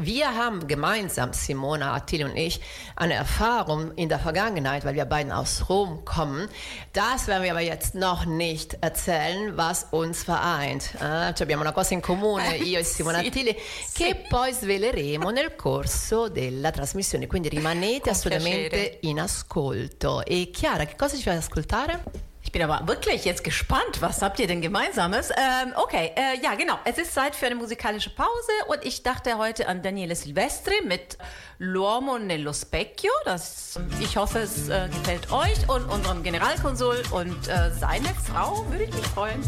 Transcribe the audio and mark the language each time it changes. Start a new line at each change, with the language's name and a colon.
German: Wir haben gemeinsam, Simona, Attila und ich, eine Erfahrung in der Vergangenheit, weil wir beiden aus Rom kommen. Das werden wir aber jetzt noch nicht erzählen, was uns vereint.
Italian: Ah, abbiamo una cosa in comune, io e Simona Tilli, che poi sveleremo nel corso della trasmissione. Quindi rimanete assolutamente in ascolto. E Chiara, che cosa ci fai ascoltare?
German: Ich bin aber wirklich jetzt gespannt, was habt ihr denn Gemeinsames? Ja, genau. Es ist Zeit für eine musikalische Pause und ich dachte heute an Daniele Silvestri mit L'uomo nello specchio. Ich hoffe, es gefällt euch und unserem Generalkonsul und seine Frau, würde ich mich freuen.